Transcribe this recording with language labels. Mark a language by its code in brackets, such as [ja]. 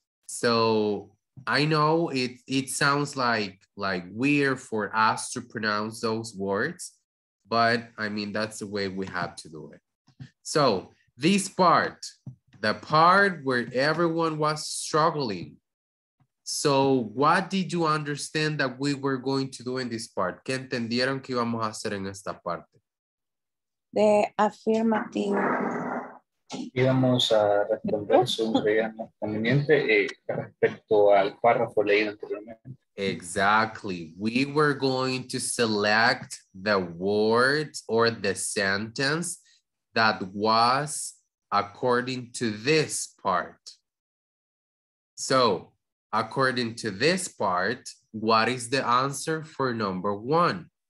[en] So I know it sounds like weird for us to pronounce those words, but I mean, that's the way we have to do it. So this part, the part where everyone was struggling. So what did you understand that we were going to do in this part? [es] ¿Qué entendieron que íbamos a hacer en esta parte? [en] The affirmative. [es] Íbamos a responder sobre el conveniente respecto al párrafo leído anteriormente. [en] Exactly. We were going to select the words or the sentence that was according to this part. So, according to this part, what is the answer for number one?